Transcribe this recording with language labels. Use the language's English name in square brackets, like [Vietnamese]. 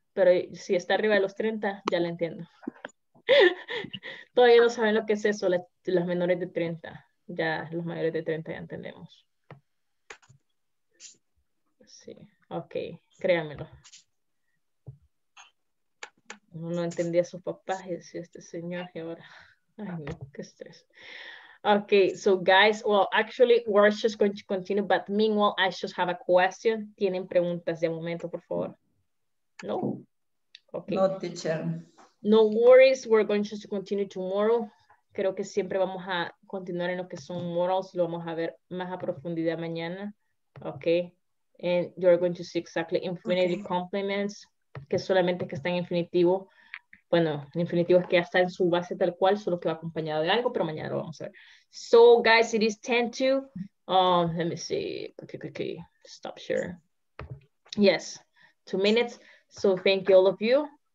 [Spanish] Pero si está arriba de los 30, ya la entiendo. Todavía no saben lo que es eso, las menores de 30. Ya los mayores de 30 ya entendemos. Sí. Ok, créanmelo. Uno no entendía a sus papás y decía este señor y ahora. Ay, no, qué estrés. [English] Ok, so guys, well, actually, we're just going to continue, but meanwhile, I just have a question. [Spanish] ¿Tienen preguntas de momento, por favor? No. [English] Okay. No, teacher. No worries, we're going to continue tomorrow. [Spanish] Creo que siempre vamos a continuar en lo que son morals. Lo vamos a ver más a profundidad mañana. Ok. [English] And you're going to see exactly infinity okay. [Spanish] Complements, que solamente que está en infinitivo. Bueno, infinitivo es que ya está en su base tal cual, solo que va acompañado de algo, pero mañana lo vamos a ver. [English] So, guys, it is 10-2. Let me see. Okay. Stop share. Yes. 2 minutes. So, thank you all of you.